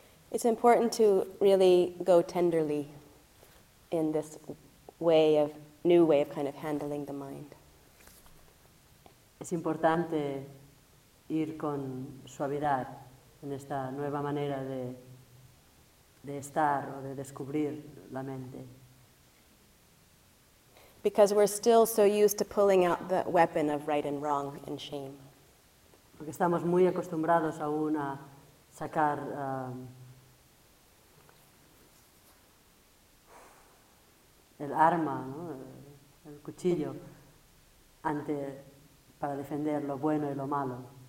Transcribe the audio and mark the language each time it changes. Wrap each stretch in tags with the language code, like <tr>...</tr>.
<en>It's important to really go tenderly in this way of new way of kind of handling the mind.</en> <es>Es importante ir con suavidad en esta nueva manera de estar o de descubrir la mente.</es> <en>Because we're still so used to pulling out the weapon of right and wrong and shame.</en> <es>Porque estamos muy acostumbrados aún a sacar el arma, ¿no? El cuchillo, ante para defender lo bueno y lo malo.</es>